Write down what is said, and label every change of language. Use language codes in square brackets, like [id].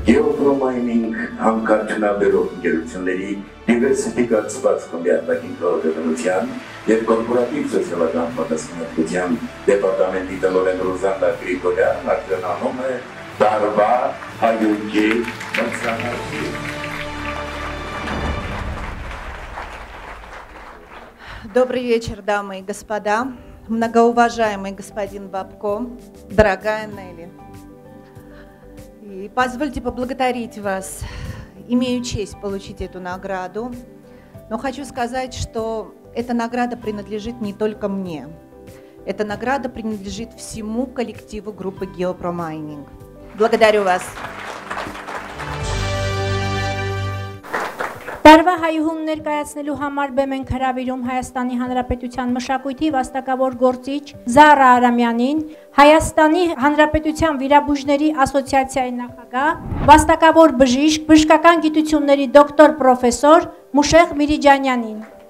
[hy] Գեոպրոմայնինգ հանգարդյունաբերող ընկերությունների դիվերսիֆիկացված խմբիական կառավարության և կորպորատիվ սոցիալական պատասխանատվության դեպարտամենտի տնօրեն Ռուզանդա Գրիգորյան արժանանում է Տարվա Հայուհի մրցանակի։ [ru] Добрый вечер, дамы и господа, многоуважаемый господин Бабко, дорогая Нелли. И позвольте поблагодарить вас, имею честь получить эту награду, но хочу сказать, что эта награда принадлежит не только мне. Эта награда принадлежит всему коллективу группы «Геопромайнинг». Благодарю вас. [hy] Տարվա Հայուհուն ներկայացնելու համար բեմենք հրավիրում Հայաստանի Հանրապետության մշակույթի վաստակավոր գործիչ Զարա Արամյանին, Հայաստանի Հանրապետության վիրաբույժների ասոցիացիայի նախագահ, վաստակավոր բժիշկ, բժշկական գիտությունների դոկտոր պրոֆեսոր Մուշեղ Միրիջանյանին։